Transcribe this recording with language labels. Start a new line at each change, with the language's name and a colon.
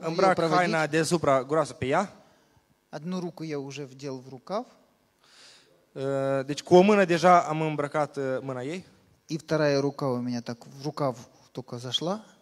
Romanian: Я îmbrac haina de supra groasă pe ea.
Russian: Одну руку я уже вдел в рукав.
Romanian: Deci cu o mână deja am îmbrăcat mâna ei.
Russian: И вторая рука у меня так в рукав только зашла.